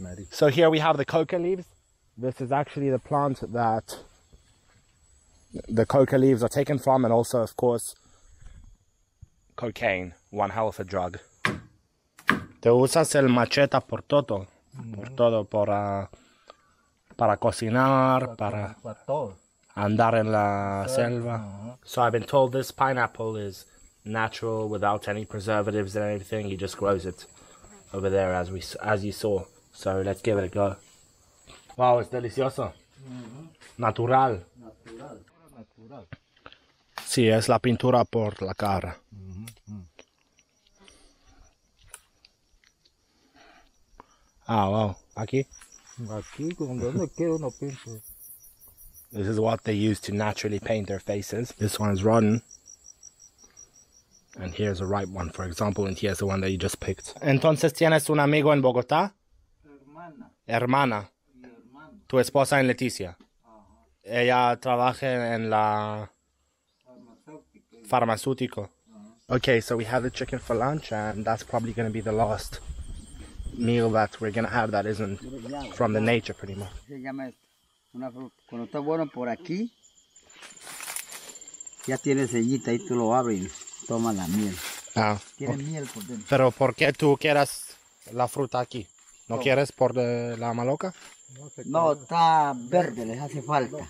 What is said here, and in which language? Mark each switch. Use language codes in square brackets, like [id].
[en] So here we have the coca leaves. This is actually the plant that the coca leaves are taken from, and also, of course, cocaine, one hell of a drug. [es] Te usas el machete por todo, por todo, para cocinar, para andar en la selva. [en] So I've been told this pineapple is natural, without any preservatives and anything. He just grows it over there, as you saw. So let's give it a go. Wow, it's delicioso. Mm-hmm. Natural. Natural. [es] Sí, es la pintura por la cara. Mm-hmm. Ah, wow. Aquí? Aquí, donde quiero una pinta. [en] This is what they use to naturally paint their faces. This one is rotten. And here's a ripe one, for example. And here's the one that you just picked. [es] Entonces, ¿tienes un amigo en Bogotá? Hermana. Tu esposa en Leticia. Uh-huh. Ella trabaja en la farmacéutico. Uh-huh. [en] Okay, so we have the chicken for lunch, and that's probably going to be the last meal that we're going to have that isn't from the nature, pretty much. [es] Cuando está bueno por aquí, ya tiene sellita y tú lo abres y toma la miel. Ah. Tiene miel por dentro. Pero ¿por qué tú quieres la fruta aquí? ¿No quieres por la maloca? No, está verde, les hace falta.